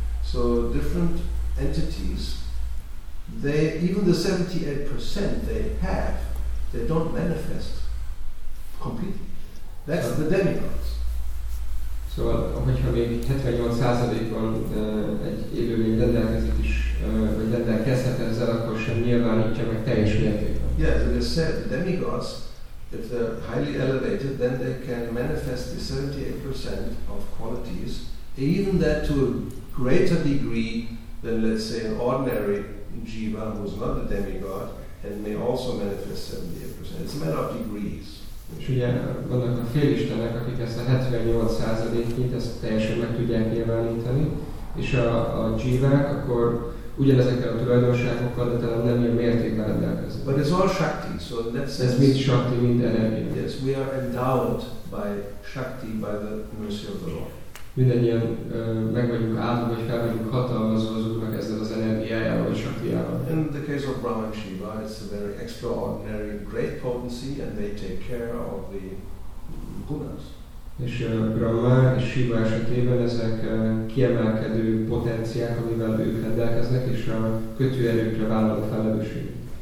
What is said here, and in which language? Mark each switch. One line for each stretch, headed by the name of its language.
English: So different entities, they even the 78% they have, they don't manifest completely. That's the demigods.
Hungarian: So, hogyha még 78%-ban egy élőlény rendelkezik is, vagy rendelkezhet ezzel, akkor sem nyilvánítja meg teljes mértékben.
English: Yes, it is said the demigods, if they're highly elevated, then they can manifest the 78% of qualities, even that to a greater degree than, let's say, an ordinary jiva who is not a demigod and may also manifest 78%. It's a matter of degrees.
Hungarian: És ugye vannak a félistenek, akik ezt a 78%-ét ezt teljesen meg tudják nyilvánítani, és a jivák akkor ugyanezekkel a tulajdonságokkal, de talán nem ilyen mértékben rendelkeznek.
English: But it's all shakti, so in that sense...
Hungarian: Ez mind shakti, mind energia.
English: Yes, we are endowed by shakti, by the mercy of the Lord.
Hungarian: Mindennyien meg vagyunk áldva, vagy fel vagyunk hatalmazva az Úrnak ezzel az energiájával, vagy shaktiával.
English: In the case of Brahma and Shiva, it's a very extraordinary, great potency, and they take care of the gunas.
Hungarian: És Brahma és Shiva esetében ezek kiemelkedő potenciák, amivel ők rendelkeznek, és a kötőerőkre vállal a felelősség.